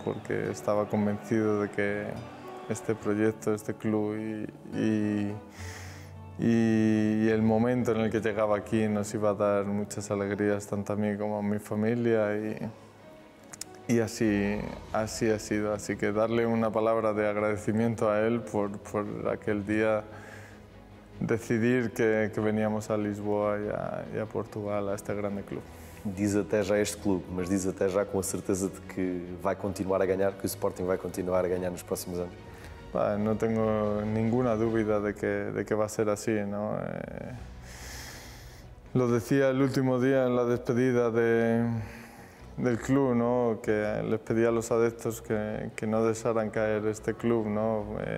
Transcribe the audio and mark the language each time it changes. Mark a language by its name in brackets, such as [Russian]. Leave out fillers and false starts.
[Spanish] Porque estaba convencido de que este proyecto, este club y el momento en el que llegaba aquí nos iba a dar muchas alegrías tanto a mí como a mi familia y así ha sido, así que darle una palabra de agradecimiento a él por aquel día decidir que veníamos a Lisboa y a Portugal, a este grande club. [Portuguese] Diz até já este club, mas diz até já com a certeza de que vai continuar a ganhar, que o Sporting vai continuar a ganhar nos próximos anos. [Spanish] Bah, no tengo ninguna dúvida de que va a ser así, ¿no? Lo decía el último día en la despedida del club, ¿no? Que les pedía a los adeptos que no dejaran caer este club, ¿no?